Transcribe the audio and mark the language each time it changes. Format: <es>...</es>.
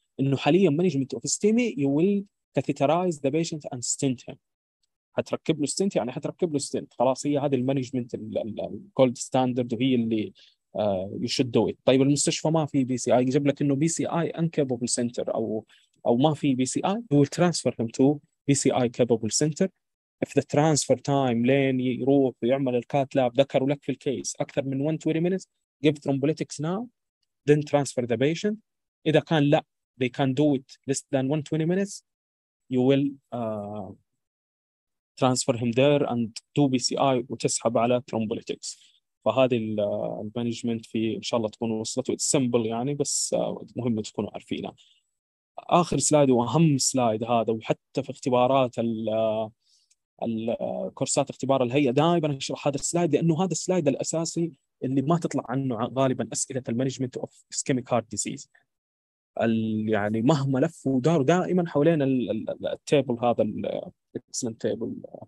<ar>انه حاليا مانجمنت اوف ستيمي</ar> <en>you will catheterize the patient and stent him,</en> <ar>هتركب له ستنت يعني هتركب له ستنت خلاص، هي هذه المانجمنت الجولد ستاندرد وهي اللي</ar> <en>You should do it.</en> <ar>طيب المستشفى ما في</ar> <en>P C I,</en> <ar>جاب لك انه</ar> <en>P C I incapable centre او ما في بي سي اي، هو transfer him to P C I capable centre. If the transfer time</en> <ar>لين يروح ويعمل الكات لاب ذكروا لك في الكيس أكثر من</ar> <en>120 minutes give thrombolytics now then transfer the patient.</en> <ar>إذا كان لا</ar> <en>they can do it less than 120 minutes you will transfer him there and do BCI</en> <ar>وتسحب على</ar> <en>thrombolytics.</en> <ar>فهذه المانجمنت في إن شاء الله تكون وصلت،</ar> <en>it's simple</en> <ar>يعني بس مهم تكونوا عارفينها. آخر سلايد وأهم سلايد هذا، وحتى في اختبارات الكورسات اختبار الهيئة دائما اشرح هذا السلايد لانه هذا السلايد الاساسي اللي ما تطلع عنه غالبا اسئله المانجمنت اوف اسكيميك هارت ديزيز، يعني مهما لف ودار دائما حوالين التيبل هذا الاكسلنت تيبل.</ar>